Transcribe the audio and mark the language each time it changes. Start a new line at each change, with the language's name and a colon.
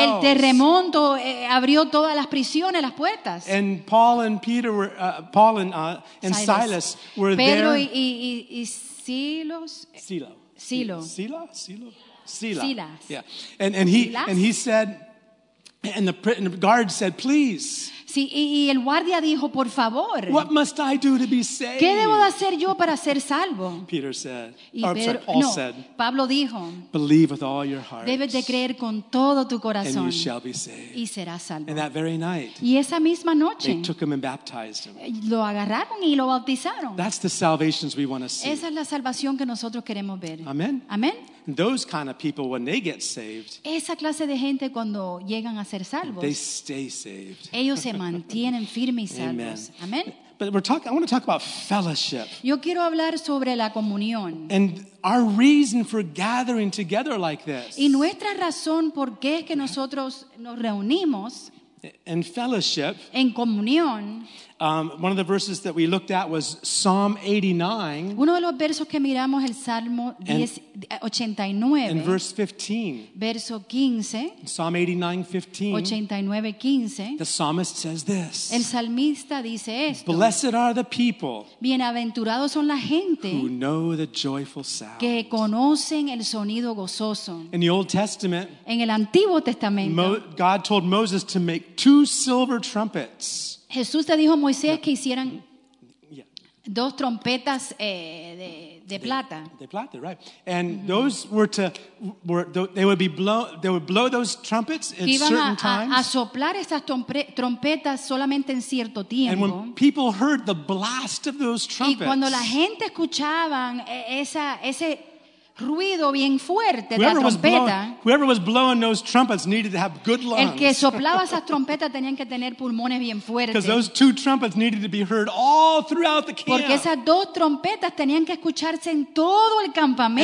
Spanish: El terremoto abrió todas las prisiones, las puertas.
English: And Paul and Peter were Paul and Silas. Silas were
Spanish: Pedro
English: there.
Spanish: Pedro y Silos. Silo. Silo. Sila. Silo. Sila. Silas.
English: Yeah. And he said. And the guard said, please.
Spanish: Sí, y el guardia dijo, por favor.
English: What must I do to be saved?
Spanish: ¿Qué debo de hacer yo para ser salvo?
English: Peter said.
Spanish: Pablo dijo.
English: Believe with all your heart.
Spanish: Debes de creer con todo tu corazón.
English: And you shall be saved.
Spanish: Y serás salvo.
English: And that very night.
Spanish: Y esa misma noche.
English: They took him and baptized him.
Spanish: Lo agarraron y lo bautizaron.
English: That's the salvations we want to see.
Spanish: Esa es la salvación que nosotros queremos ver.
English: Amen.
Spanish: Amen.
English: Those kind of people, when they get saved,
Spanish: esa clase de gente cuando llegan a ser salvos,
English: they stay saved.
Spanish: Ellos se mantienen firmes y salvos. Amén.
English: But I want to talk about fellowship.
Spanish: Yo quiero hablar sobre la comunión.
English: And our reason for gathering together like this.
Spanish: Y nuestra razón por qué es que nosotros nos reunimos.
English: In fellowship.
Spanish: En comunión.
English: One of the verses that we looked at was Psalm 89.
Spanish: Uno de los versos que miramos el Salmo 89.
English: In verse 15.
Spanish: Verso 15.
English: Psalm 89:15. The psalmist says this.
Spanish: El salmista dice esto.
English: Blessed are the people.
Spanish: Bienaventurados son la gente.
English: Who know the joyful sound.
Spanish: Que conocen el sonido gozoso.
English: In the Old Testament.
Spanish: En el Antiguo Testamento.
English: God told Moses to make two silver trumpets.
Spanish: Jesús le dijo a Moisés que hicieran dos trompetas de plata. De plata, right? And mm-hmm.
English: they would blow those trumpets at certain times.
Spanish: A soplar esas trompetas solamente en cierto tiempo.
English: And when people heard the blast of those trumpets.
Spanish: Y cuando la gente escuchaban ese ruido bien fuerte de la trompeta.
English: Whoever was blowing those trumpets needed to have good lungs.
Spanish: El que soplaba esas trompetas tenían que tener pulmones bien fuertes.
English: Because those two trumpets needed to be heard all throughout the camp.
Spanish: Porque esas dos trompetas tenían que escucharse en todo el campamento.